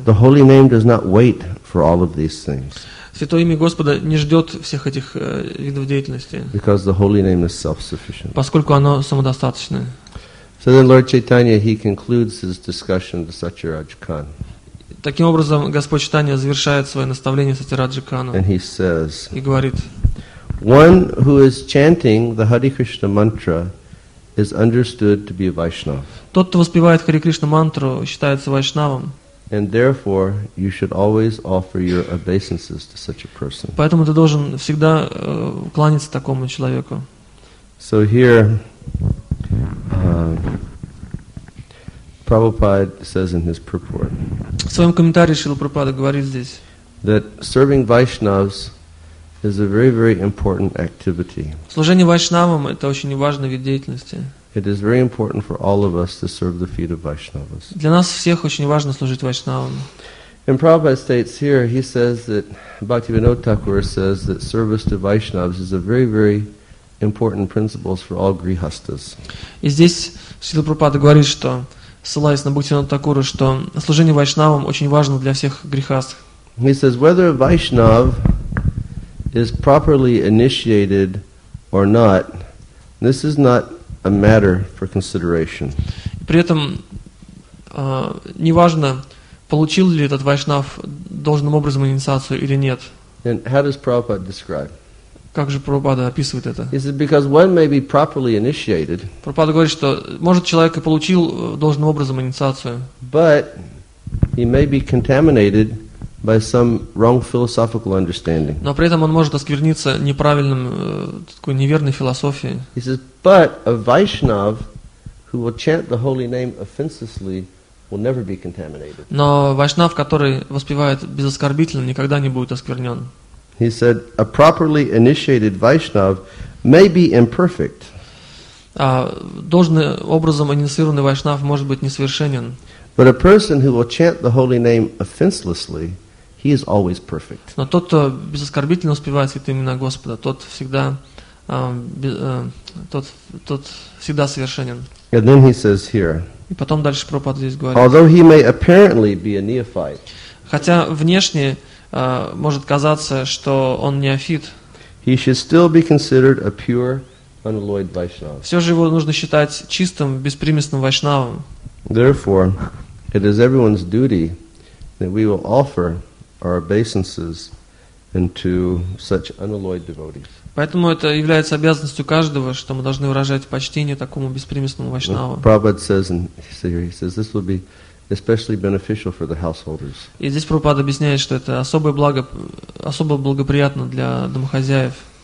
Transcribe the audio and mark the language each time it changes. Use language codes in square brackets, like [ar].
[en] The holy name does not wait for all of these things. [ru] Святое имя Господа не ждет всех этих видов деятельности. [en] Because the holy name is self-sufficient. [ru] Поскольку оно самодостаточное. [en] So then Lord Chaitanya, he concludes his discussion with Satyaraj Khan. [ru] Таким образом, Господь Чайтанья завершает свое наставление Сатираджи Кану. [en] And he says, [ru] и говорит, [en] one who is chanting the Hare Krishna mantra is understood to be a Vaishnav. [ru] Тот, кто воспевает Хари Кришна мантру, считается Вайшнавом. [en] And therefore, you should always offer your obeisances to such a person. [ru] Поэтому ты должен всегда кланяться такому человеку. [en] So here, Prabhupada says in his purport. [ru] В своем комментарии Шрила Прабхупада говорит здесь. [en] That serving Vaishnavas is a very, very important activity. [ru] Служение Вайшнавам – это очень важный вид деятельности. [en] It is very important for all of us to serve the feet of Vaishnavas. [ru] Для нас всех очень важно служить Вайшнавам. [en] And Prabhupada states here, he says that Bhaktivinoda Thakur says that service to Vaishnavas is a very, very important principle for all grihasthas. [ru] И здесь Шрила Прабхупада говорит, что ссылаясь на Бхактивинода Такура, что служение Вайшнавам очень важно для всех грихастх. [en] He says whether a Vaishnav is properly initiated or not, this is not a matter for consideration. [ru] При этом неважно, получил ли этот Вайшнав должным образом инициацию или нет. [en] And how does Prabhupada describe? [ru] Как же Прабхупада описывает это? [en] Is it because one may be properly initiated? [ru] Прабхупада говорит, что может человек и получил должным образом инициацию. [en] But he may be contaminated by some wrong philosophical understanding. [ru] Но при этом он может оскверниться неправильным такой неверной философией. [en] He says, but a Vaishnav who will chant the holy name offensively will never be contaminated. [ru] Но Вайшнав, который воспевает безоскорбительно, никогда не будет осквернен. [en] He said, a properly initiated Vaishnav may be imperfect. [ru] Должным образом инициированный Вайшнав может быть несовершенен. [en] But a person who will chant the holy name offenselessly, he is always perfect. [ru] Но тот, кто безоскорбительно успевает святые имена Господа, тот всегда совершенен. [en] And then he says here, [ru] и потом дальше Прабхупада здесь говорит, [en] although he may apparently be a neophyte, [ru] Хотя внешне может казаться, что он неофит. [en] He should still be considered a pure, unalloyed Vaishnava. [ru] Все же его нужно считать чистым, беспримесным вайшнавом. [en] Therefore, it is everyone's duty that we will offer our obeisances unto such unalloyed devotees. [ru] Поэтому это является обязанностью каждого, что мы должны выражать почтение такому беспримесному вайшнаву. [en] Prabhupada says, and he says, this will be especially beneficial for the householders. [ru] И здесь Прабхупада объясняет, что это особое благо, особо благоприятно для домохозяев.